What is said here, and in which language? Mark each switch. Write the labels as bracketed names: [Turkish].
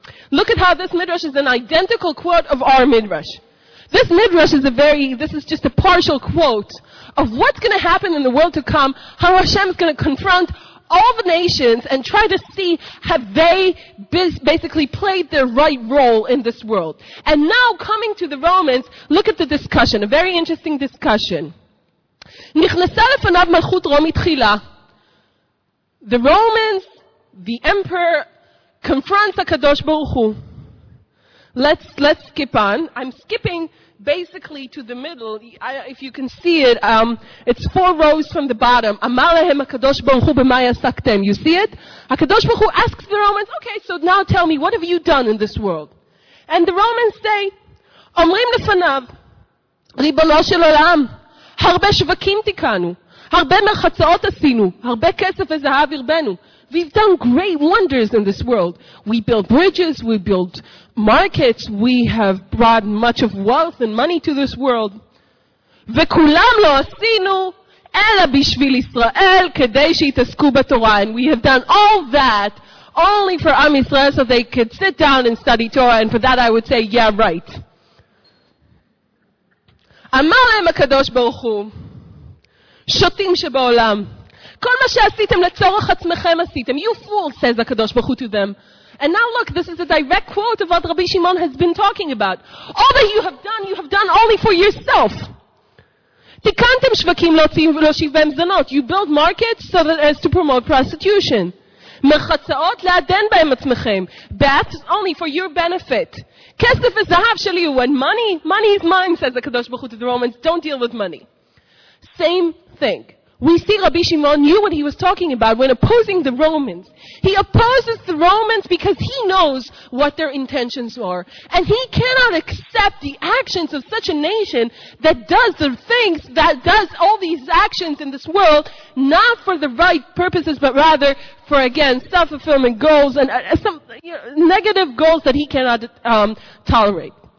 [English] Look at how this Midrash is an identical quote of our Midrash. This Midrash is just a partial quote of what's going to happen in the world to come, how Hashem is going to confront all the nations and try to see have they basically played their right role in this world. And now coming to the Romans, look at the discussion, a very interesting discussion. [Hebrew] נכנסה לפניו מלכות רומי תחילה. [English] The Romans, the emperor, confronts HaKadosh Baruch Hu. Let's skip on. I'm skipping basically to the middle. If you can see it, it's 4 rows from the bottom. [Hebrew] אמר להם HaKadosh Baruch Hu במה יעסקתם. [English] You see it? HaKadosh Baruch Hu asks the Romans, okay, so now tell me, what have you done in this world? And the Romans say, [Hebrew] אומרים לפניו, ריבונו של עולם, הרבה שווקים תיקנו, הרבה מרחצאות עשינו, הרבה כסף וזהב הרבנו. [English] We've done great wonders in this world. We built bridges, we built markets, we have brought much of wealth and money to this world. [Hebrew] וכולם לא עשינו, אלא בשביל ישראל, כדי שיתעסקו בתורה. [English] And we have done all that only for Am Yisrael so they could sit down and study Torah, and for that I would say, yeah, right. [Hebrew] אמר להם הקדוש ברוך הוא, שוטים שבעולם, כל מה שעשיתם לצורך עצמכם עשיתם, [English] you fools, says [Hebrew] הקדוש ברוך הוא [English] to them. And now look, this is a direct quote of what Rabbi Shimon has been talking about. All that you have done only for yourself. [Hebrew] תיקנתם שווקים להושיבם זנות. [English] You build markets so that as to promote prostitution. [Hebrew] מחצאות לעדן בהם עצמכם. [English] Baths only for your benefit. [Hebrew] כסף וזהב שלי הוא, [English] and money? Money is mine, says הקדוש ברוך הוא to the Romans. Don't deal with money. Same thing. We see Rabbi Shimon knew what he was talking about when opposing the Romans. He opposes the Romans because he knows what their intentions are. And he cannot accept the actions of such a nation that does the things, that does all these actions in this world, not for the right purposes, but rather for, again, self-fulfillment goals and some negative goals that he cannot tolerate.